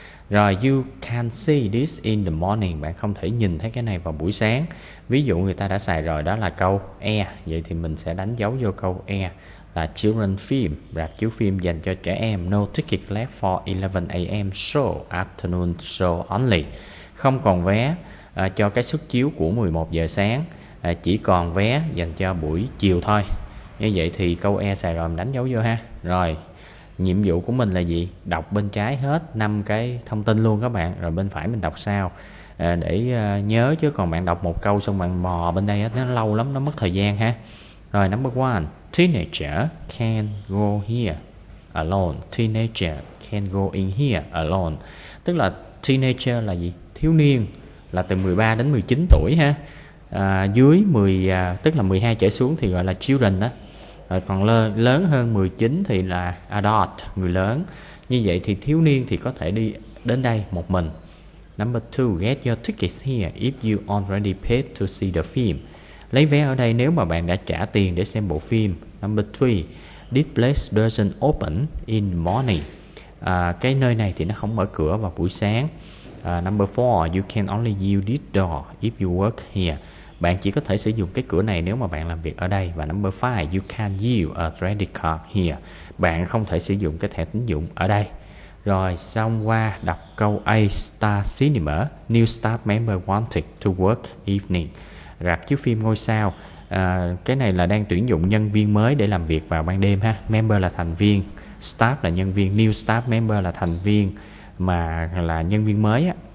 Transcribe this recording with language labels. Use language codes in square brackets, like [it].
[en] Rồi, you can see this in the morning. [vi] Bạn không thể nhìn thấy cái này vào buổi sáng. Ví dụ người ta đã xài rồi, đó là câu E. Vậy thì mình sẽ đánh dấu vô câu E là children film, rạp chiếu phim dành cho trẻ em. [en] No ticket left for 11 a.m. show, afternoon show only. [vi] Không còn vé cho cái suất chiếu của 11 giờ sáng, chỉ còn vé dành cho buổi chiều thôi. Như vậy thì câu E xài rồi, mình đánh dấu vô ha. Rồi, nhiệm vụ của mình là gì? Đọc bên trái hết 5 cái thông tin luôn các bạn, rồi bên phải mình đọc sau để nhớ, chứ còn bạn đọc một câu xong bạn mò bên đây nó lâu lắm, nó mất thời gian ha. [en] Rồi, number one, teenager can go here alone. Teenager can go in here alone. [vi] Tức là teenager là gì? Thiếu niên, là từ 13 đến 19 tuổi ha. Dưới 10, tức là 12 trở xuống thì gọi là children đó. Rồi còn lớn hơn 19 thì là adult, người lớn. Như vậy thì thiếu niên thì có thể đi đến đây một mình. [en] Number 2, get your tickets here if you already paid to see the film. [vi] Lấy vé ở đây nếu mà bạn đã trả tiền để xem bộ phim. [en] Number 3, this place doesn't open in the morning. [vi] Cái nơi này thì nó không mở cửa vào buổi sáng. [en] Number 4, you can only use this door if you work here. [vi] Bạn chỉ có thể sử dụng cái cửa này nếu mà bạn làm việc ở đây. [en] Và number 5, you can't use a credit card here. [vi] Bạn không thể sử dụng cái thẻ tín dụng ở đây. Rồi, xong qua đọc câu A, Star Cinema, [en] new staff member wanted to work evening. [vi] Rạp chiếu phim ngôi sao, cái này là đang tuyển dụng nhân viên mới để làm việc vào ban đêm ha. Member là thành viên, staff là nhân viên, new staff member là thành viên mà là nhân viên mới á.